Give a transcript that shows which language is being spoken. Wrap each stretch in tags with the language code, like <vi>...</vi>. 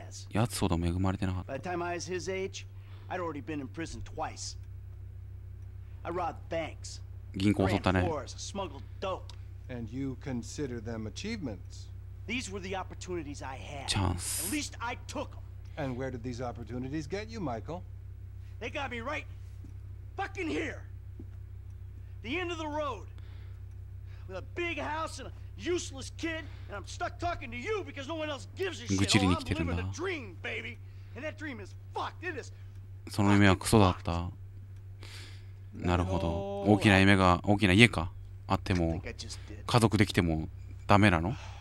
<ja>やつほど恵まれてなかった。</ja> <en>I'd already been in prison twice. I robbed banks.</en> <ja>銀行襲ったね。</ja> <en>Smuggled dope. And you consider them achievements? These were the opportunities I had. Chance. At least I took them. And where did these opportunities get you, Michael? They got me right fucking here. The end of the road. With a big house and a useless kid, and I'm stuck talking to you because no one else gives a shit. I'm living a dream, baby. And that dream is fucked. It is.</en> <ja>その夢はクソだった。なるほど。大きな夢が、大きな家かあっても家族できてもダメなの。</ja>